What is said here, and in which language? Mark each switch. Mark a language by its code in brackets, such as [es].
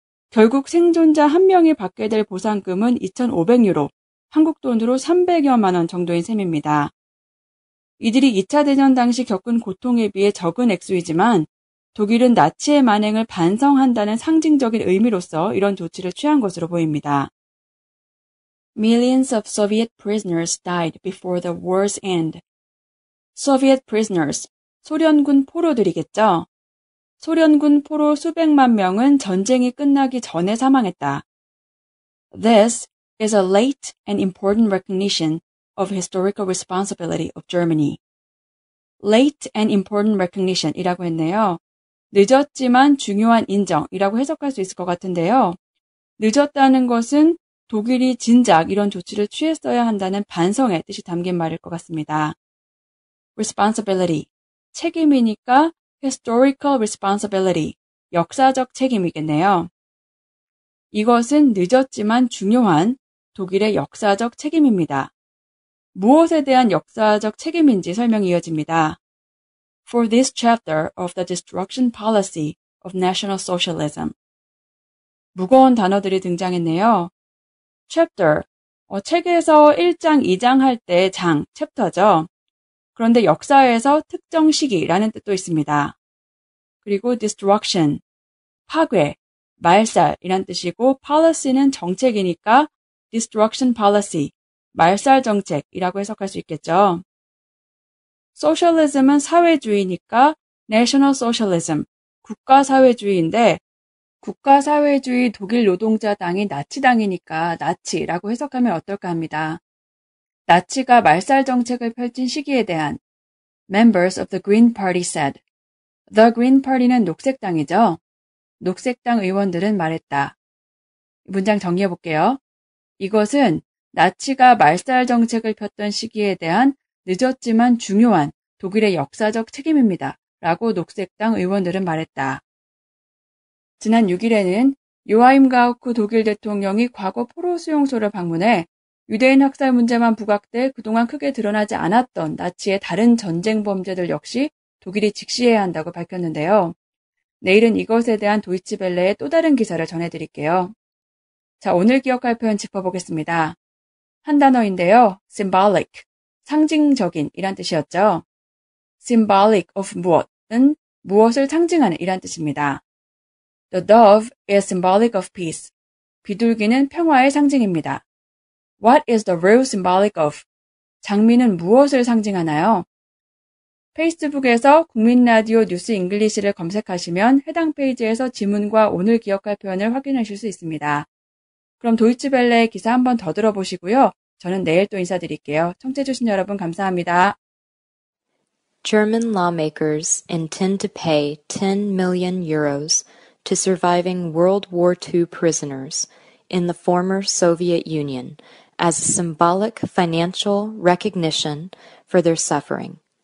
[ko] 결국 생존자 1명이 받게 될 보상금은 2,500 유로, 한국 돈으로 300여만 원 정도인 셈입니다. 이들이 2차 대전 당시 겪은 고통에 비해 적은 액수이지만 독일은 나치의 만행을 반성한다는 상징적인 의미로서 이런 조치를 취한 것으로 보입니다. [en] Millions of Soviet prisoners died before the war's end. Soviet prisoners, [ko] 소련군 포로들이겠죠? 소련군 포로 수백만 명은 전쟁이 끝나기 전에 사망했다. [en] This is a late and important recognition of historical responsibility of Germany. Late and important recognition [ko] 이라고 했네요. 늦었지만 중요한 인정이라고 해석할 수 있을 것 같은데요. 늦었다는 것은 독일이 진작 이런 조치를 취했어야 한다는 반성의 뜻이 담긴 말일 것 같습니다. Responsibility, 책임이니까 [en] historical responsibility, [ko] 역사적 책임이겠네요. 이것은 늦었지만 중요한 독일의 역사적 책임입니다. 무엇에 대한 역사적 책임인지 설명이 이어집니다. [en] For this chapter of the destruction policy of National Socialism. [ko] 무거운 단어들이 등장했네요. Chapter, 책에서 1장, 2장 할 때 장, 챕터죠. 그런데 역사에서 특정 시기라는 뜻도 있습니다. 그리고 destruction, 파괴, 말살이란 뜻이고 policy는 정책이니까 destruction policy, 말살 정책이라고 해석할 수 있겠죠. Socialism은 사회주의니까 national socialism, 국가사회주의인데 국가사회주의 독일 노동자당이 나치당이니까 나치라고 해석하면 어떨까 합니다. 나치가 말살 정책을 펼친 시기에 대한 [en] Members of the Green Party said The Green Party는 [ko] 녹색당이죠. 녹색당 의원들은 말했다. 문장 정리해 볼게요. 이것은 나치가 말살 정책을 폈던 시기에 대한 늦었지만 중요한 독일의 역사적 책임입니다. 라고 녹색당 의원들은 말했다. 지난 6일에는 요하임 가우크 독일 대통령이 과거 포로 수용소를 방문해 유대인 학살 문제만 부각돼 그동안 크게 드러나지 않았던 나치의 다른 전쟁 범죄들 역시 독일이 직시해야 한다고 밝혔는데요. 내일은 이것에 대한 도이치벨레의 또 다른 기사를 전해드릴게요. 자, 오늘 기억할 표현 짚어보겠습니다. 한 단어인데요. symbolic, 상징적인 이란 뜻이었죠. symbolic of 무엇은 무엇을 상징하는 이란 뜻입니다. [en] The dove is symbolic of peace. [ko] 비둘기는 평화의 상징입니다. [en] What is the real symbolic of? [ko] 장미는 무엇을 상징하나요? 페이스북에서 국민라디오 뉴스 잉글리시를 검색하시면 해당 페이지에서 지문과 오늘 기억할 표현을 확인하실 수 있습니다. 그럼 도이치벨레의 기사 한 번 더 들어보시고요. 저는 내일 또 인사드릴게요. 청취해주신 여러분 감사합니다. [en] German lawmakers intend to pay 10 million euros to surviving World War II prisoners in the former Soviet Union as a symbolic financial recognition for their suffering.